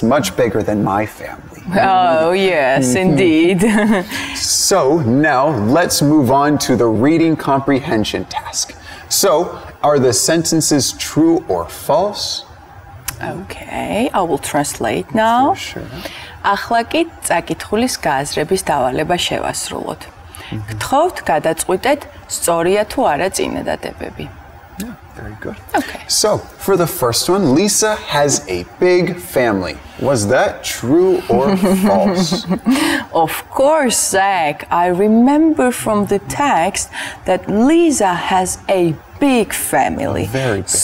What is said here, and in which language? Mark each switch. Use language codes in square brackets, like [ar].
[en] Much bigger than my family. Oh, yes, indeed. So now let's move on to the reading comprehension task. So are the sentences true or false? Okay, I will translate now. For sure. [ka] ახლა კი წაკითხულის გააზრების დავალება შევასრულოთ. გთხოვთ, გადაწყვიტეთ, სწორია თუ არა წინადადებები. [en] Yeah, very good. Okay. So, for the first one, Lisa has a big family. Was that true or false? Of course, Zach. I remember from the text that Lisa has a big family. Very big.